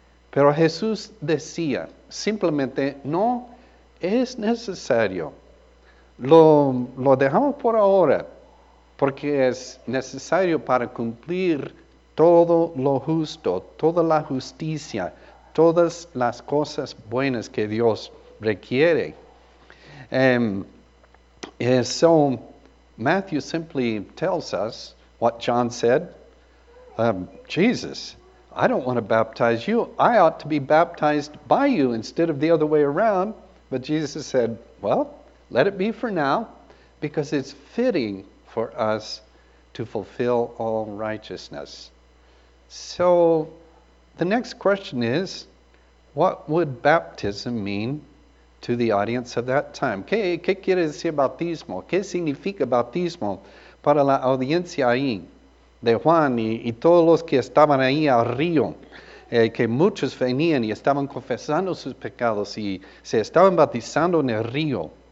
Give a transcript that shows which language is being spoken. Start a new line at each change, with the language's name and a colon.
Spanish: Pero Jesús decía, simplemente, no es necesario. Lo dejamos por ahora, porque es necesario para cumplir todo lo justo, toda la justicia, todas las cosas buenas que Dios requiere.
English: So Matthew simply tells us what John said. Jesus, I don't want to baptize you. I ought to be baptized by you instead of the other way around. But Jesus said, well, let it be for now, because it's fitting for us to fulfill all righteousness. So the next question is, what would baptism mean to the audience of that time?
Spanish: ¿Qué quiere decir bautismo? ¿Qué significa bautismo para la audiencia ahí de Juan y todos los que estaban ahí al río? Que muchos venían y estaban confesando sus pecados y se estaban bautizando en el río.